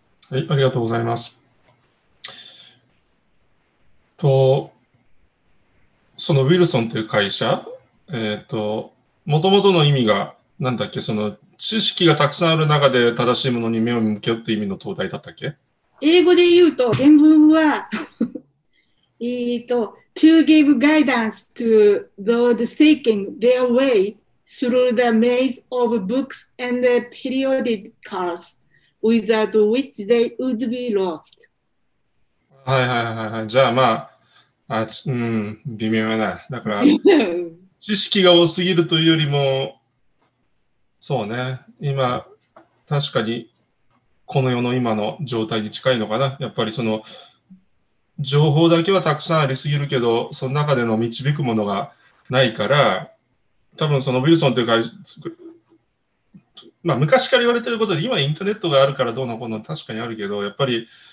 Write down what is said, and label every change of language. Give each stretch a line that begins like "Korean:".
Japanese: はい、ありがとうございます。そのウィルソンという会社、元々の意味が、なんだっけ、その知識がたくさんある中で正しいものに目を向けようという意味の灯台だったっけ？英語で言うと、原文は、
English: to give guidance to those seeking their way through the maze of books and periodicals without which they would be lost.
Japanese: はいはいはいはい。じゃあまあ、微妙やな。だから、知識が多すぎるというよりも、そうね。今、確かに、この世の今の状態に近いのかな。やっぱりその、情報だけはたくさんありすぎるけど、その中での導くものがないから、多分そのウィルソンというか、まあ昔から言われてることで、今インターネットがあるからどうのこうの確かにあるけど、やっぱり、